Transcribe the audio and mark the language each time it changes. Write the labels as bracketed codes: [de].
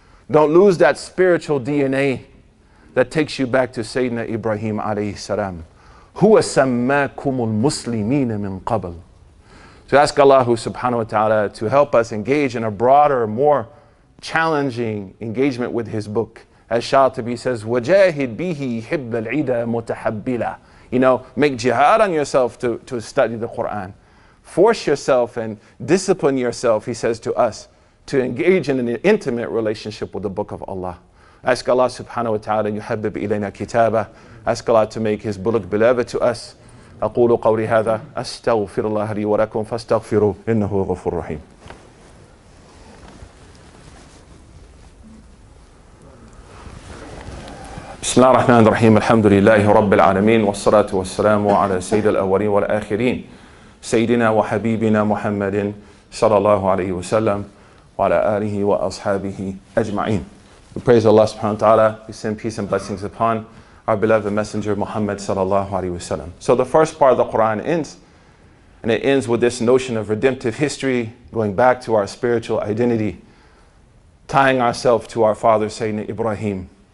[en] Don't lose that spiritual DNA that takes you back to Sayyidina Ibrahim alayhi salam. [ar] هُوَ سَمَّاكُمُ الْمُسْلِمِينَ مِنْ قَبْلِ. [en] So ask Allah subhanahu wa ta'ala to help us engage in a broader, more challenging engagement with his book. As Shatibi says, [ar] وَجَاهِدْ بِهِ حِبَّ الْعِدَى مُتَحَبِّلًا. [en] You know, make jihad on yourself to study the Quran. Force yourself and discipline yourself, he says to us, to engage in an intimate relationship with the book of Allah. Ask Allah subhanahu wa ta'ala, [ar] يُحَبِّبْ إِلَيْنَا كِتَابًا. [en] Ask Allah to make his book beloved to us. [ar] أَقُولُ قَوْلِ هَذَا أَسْتَغْفِرُ اللَّهَ لِي وَلَكُمْ فَاسْتَغْفِرُوا إِنَّهُ غَفُرُ الرَّحِيمُ. بسم الله الرحمن الرحيم الحمد لله رب العالمين والصلاة والسلام على سيد الأولين والآخرين سيدنا وحبيبنا محمد صلى الله عليه وسلم وعلى آله وأصحابه أجمعين. [en] We praise Allah subhanahu wa ta'ala. We send peace and blessings upon our beloved messenger Muhammad [ar] صلى الله عليه وسلم. [en] So the first part of the Quran ends, and it ends with this notion of redemptive history, going back to our spiritual identity, tying ourselves to our father Sayyidina Ibrahim.